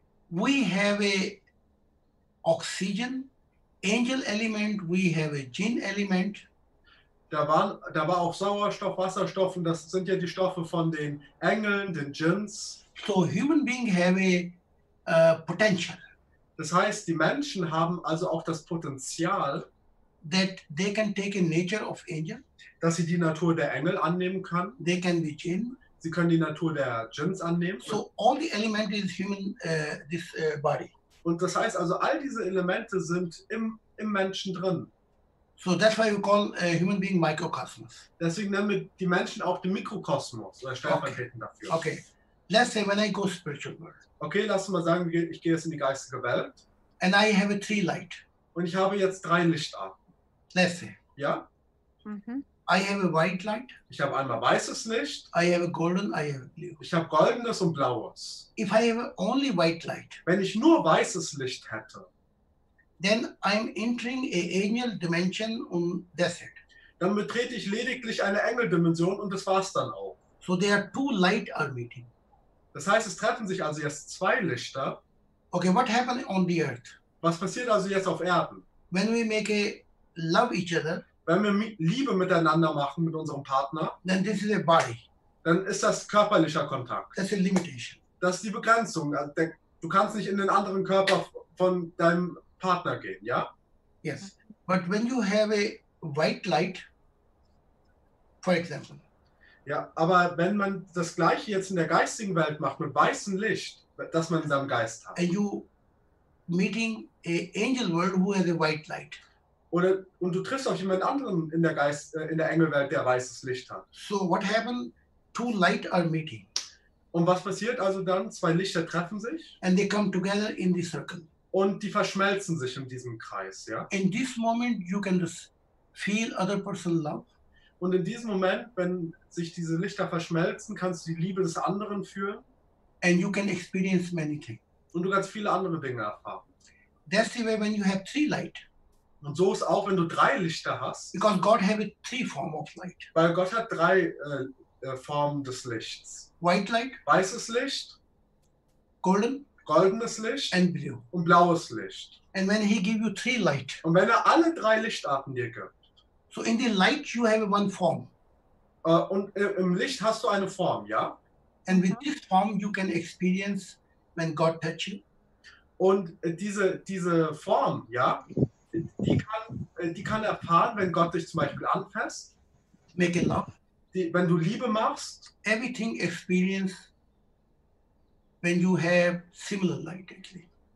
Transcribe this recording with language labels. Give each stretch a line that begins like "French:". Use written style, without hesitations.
English: we have a oxygen angel element, we have a jinn element.
German: Da war auch Sauerstoff, Wasserstoff, und das sind ja die Stoffe von den Engeln, den Jinns.
English: So human being have a potential.
German: Das heißt, die Menschen haben also auch das Potenzial,
English: that they can take a nature of angel,
German: dass sie die Natur der Engel annehmen kann.
English: They can be jinn.
German: Sie können die Natur der Jinns annehmen.
English: So all the element is human, this body.
German: Und das heißt also, all diese Elemente sind im Menschen drin.
English: So that's why we call a human being microcosmos.
German: Deswegen nennen wir die Menschen auch den Mikrokosmos oder Stellvertretung okay. dafür.
English: Okay. Let's say when I go spiritual world.
German: Okay, lass mal sagen, ich gehe jetzt in die geistige Welt.
English: And I have a three light.
German: Und ich habe jetzt drei Lichtarten.
English: Let's say.
German: Ja?
English: Mm-hmm. I have a white light.
German: Ich habe einmal weißes Licht.
English: I have a golden, I have a blue.
German: Ich habe goldenes und blaues.
English: If I have only white light.
German: Wenn ich nur weißes Licht hätte.
English: Then I'm entering a angel dimension and that's it.
German: Dann betrete ich lediglich eine Engeldimension und das war's dann auch.
English: So there are two light are meeting.
German: Das heißt, es treffen sich also jetzt zwei Lichter.
English: Okay, what happened on the earth?
German: Was passiert also jetzt auf Erden?
English: When we make a love each other.
German: wenn wir Liebe miteinander machen mit unserem Partner,
English: then this is a body.
German: Dann ist das körperlicher Kontakt.
English: That's a limitation.
German: Das ist die Begrenzung. Du kannst nicht in den anderen Körper von deinem Partner gehen, ja?
English: Yes. But when you have a white light, for example.
German: Ja, aber wenn man das Gleiche jetzt in der geistigen Welt macht, mit weißem Licht, das man in seinem Geist hat.
English: And you meeting a angel world who has a white light.
German: Oder, und du triffst auf jemand anderen in der Geist, in der Engelwelt, der weißes Licht hat.
English: So what happened? Two light are meeting.
German: Und was passiert also dann? Zwei Lichter treffen sich.
English: And they come together in the circle.
German: Und die verschmelzen sich in diesem Kreis, ja.
English: In this moment you can just feel other person love.
German: Und in diesem Moment, wenn sich diese Lichter verschmelzen, kannst du die Liebe des anderen fühlen.
English: And you can experience many things.
German: Und du kannst viele andere Dinge erfahren.
English: That's the way when you have three light.
German: Und so ist auch, wenn du drei Lichter hast.
English: Because God have a three form of light.
German: Weil Gott hat drei Formen des Lichts.
English: White light.
German: Weißes Licht.
English: Golden.
German: Goldenes Licht.
English: And blue.
German: Und blaues Licht.
English: And when he give you three light.
German: Und wenn er alle drei Lichtarten dir gibt.
English: So in the light you have one form.
German: Und im Licht hast du eine Form, ja?
English: And with this form you can experience when God touch you.
German: Und diese Form, ja, die kann erfahren, wenn Gott dich zum Beispiel anfasst.
English: Make a love.
German: Wenn du Liebe machst.
English: Everything experience when you have similar light actually.